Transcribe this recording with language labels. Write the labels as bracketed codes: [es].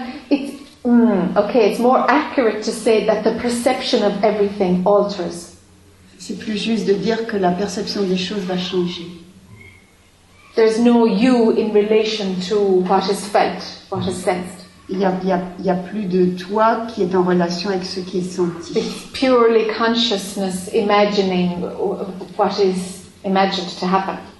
[en] It's more accurate to say that the perception of everything alters. [fr] C'est plus juste de dire que la perception des choses va changer. [en] There's no you in relation to what is felt, what is sensed. [fr] Il y a plus de toi qui est en relation avec ce qui est senti. [en] It's purely consciousness imagining what is imagined to happen.